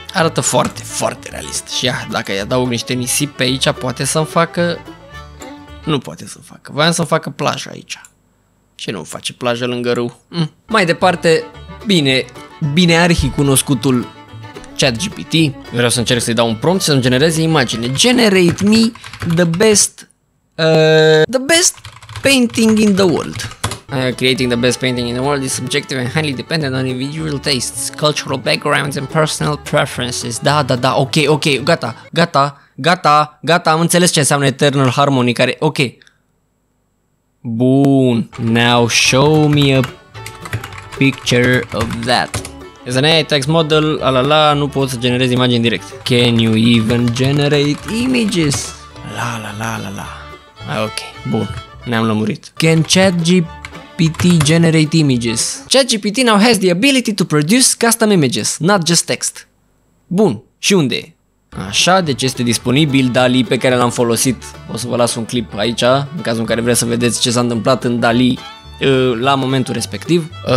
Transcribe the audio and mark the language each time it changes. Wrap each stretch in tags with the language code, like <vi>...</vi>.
<ro>Arată foarte, foarte realist. Și ia, dacă îi adaug niște nisip pe aici, poate să-mi facă... Nu poate să-mi facă. Voiam să-mi facă plajă aici. Ce nu face plajă lângă râu? Mai departe, bine, bine arhi cunoscutul ChatGPT. Vreau să încerc să-i dau un prompt și să-mi genereze imagine.</ro> <en>Generate me the best painting in the world. Creating the best painting in the world is subjective and highly dependent on individual tastes, cultural backgrounds and personal preferences.</en> <ro>Da, da, da, ok, ok, gata, gata, gata, gata, am înțeles ce înseamnă Eternal Harmony, care, ok. Bun,</ro> <en>now show me a picture of that. As an AI text model,</en> <ro>alala, nu pot să generez imagini direct.</ro> <en>Can you even generate images? La, la, la, la, la.</en> <ro>Ok, bun, ne-am lămurit.</ro> <en>Can ChatGPT generate images? ChatGPT now has the ability to produce custom images, not just text.</en> <ro>Bun, și unde e? Așa, deci este disponibil DALL-E pe care l-am folosit. O să vă las un clip aici, în cazul în care vreți să vedeți ce s-a întâmplat în DALL-E la momentul respectiv.</ro>